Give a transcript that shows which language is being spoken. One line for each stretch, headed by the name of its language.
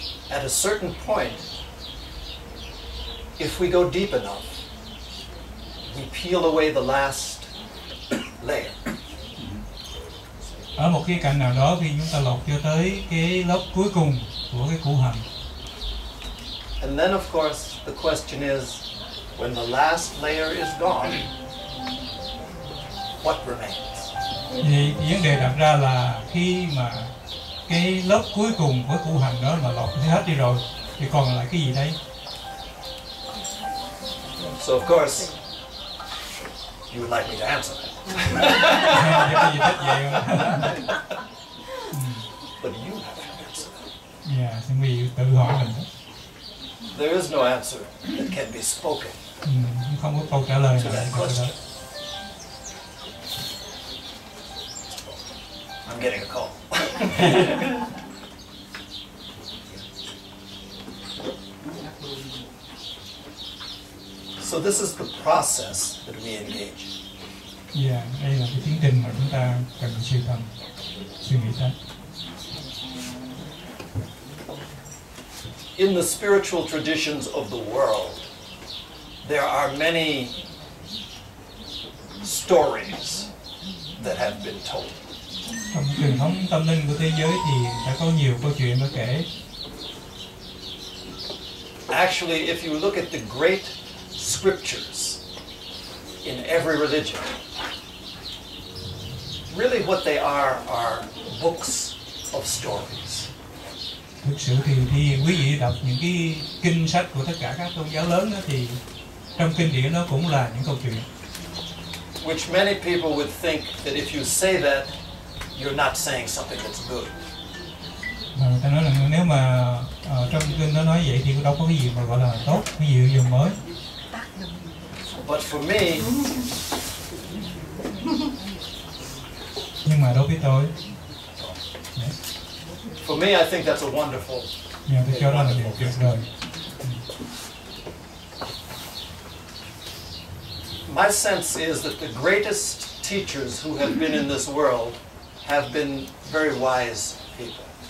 English: At a certain point, if we go deep enough, we peel away the last layer.
Vietnamese: Ở một cái cạnh nào đó, khi chúng ta lột cho tới cái lớp cuối cùng của cái củ hành.
English: And then of course the question is, when the last layer is gone, what remains?
Vietnamese: Thì vấn đề đặt ra là khi mà cái lớp cuối cùng của củ hành đó mà lột hết đi rồi, thì còn lại cái gì đây?
English: So of course you would like me to answer that. But you have an answer. Yeah, you
Vietnamese: tự hỏi mình.
English: There is no answer that can be spoken.
Vietnamese: Không có câu trả lời
English: to that question. I'm getting a call. So this is the process that we engage in. Yeah,
Vietnamese: đây là cái tiến trình mà chúng ta cần siêu tầm, suy nghĩ tới.
English: In the spiritual traditions of the world, there are many stories that have been told.
Vietnamese: Trong truyền thống tâm linh của thế giới thì đã có nhiều câu chuyện được kể.
English: Actually, if you look at the great scriptures in every religion, really what they are books of stories.
Vietnamese: Thực sự thì quý vị đọc những cái kinh sách của tất cả các tôn giáo lớn đó, thì trong kinh điển nó cũng là những câu chuyện.
English: Which many people would think that if you say that, you're not saying something that's good.
Vietnamese: Mà người ta nói là nếu mà trong kinh nó nói vậy thì đâu có cái gì mà gọi là tốt, cái gì dùng mới.
English: But for me,
Vietnamese: nhưng mà đối với tôi,
English: for me, I think that's a wonderful. Yeah,
Vietnamese: tôi cho rằng là điều tuyệt vời.
English: My sense is that the greatest teachers who have been in this world have been very wise people.